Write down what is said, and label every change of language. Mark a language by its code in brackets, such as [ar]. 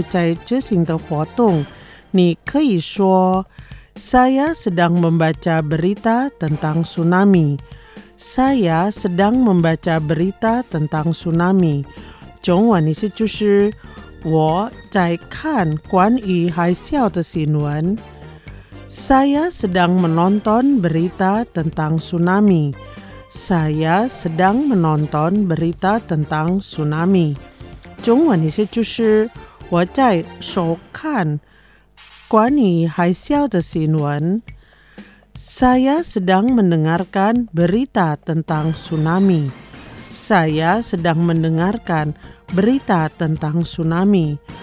[zh] 规定中为回答问题或告诉在执行的活动，你可以说 [id] Saya sedang membaca berita tentang tsunami. Saya sedang membaca berita tentang tsunami. [zh] 中文意思就是我在看关于海啸的新闻. [id] Saya sedang menonton berita tentang tsunami. Saya sedang menonton berita tentang tsunami. [zh] 中文意思就是我在收看关于海啸的新闻. [id] Saya sedang mendengarkan berita tentang tsunami. Saya sedang mendengarkan berita tentang tsunami.